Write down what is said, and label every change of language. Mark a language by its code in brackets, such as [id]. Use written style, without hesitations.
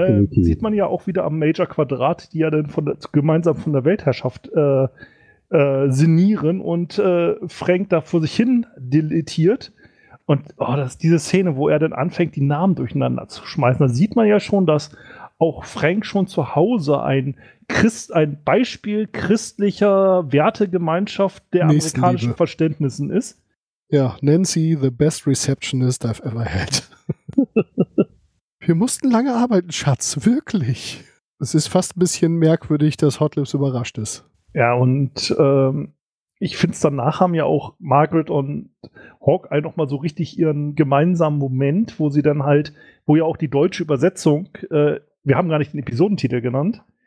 [de] Sieht man ja auch wieder am Major Quadrat, die ja dann gemeinsam von der Weltherrschaft sinnieren und Frank da vor sich hin dilettiert. Und diese Szene, wo er dann anfängt, die Namen durcheinander zu schmeißen, da sieht man ja schon, dass auch Frank schon zu Hause ein Beispiel christlicher Wertegemeinschaft der amerikanischen Verständnissen ist. [en] Ja, Nancy, the best receptionist I've ever had. [de] Wir mussten lange arbeiten, Schatz, wirklich. Es ist fast ein bisschen merkwürdig, dass Hot Lips überrascht ist. Ja, und ich finde es danach haben ja auch Margaret und Hawkeye nochmal so richtig ihren gemeinsamen Moment, wo sie dann halt, wo ja auch die deutsche Übersetzung wir haben gar nicht den Episodentitel genannt.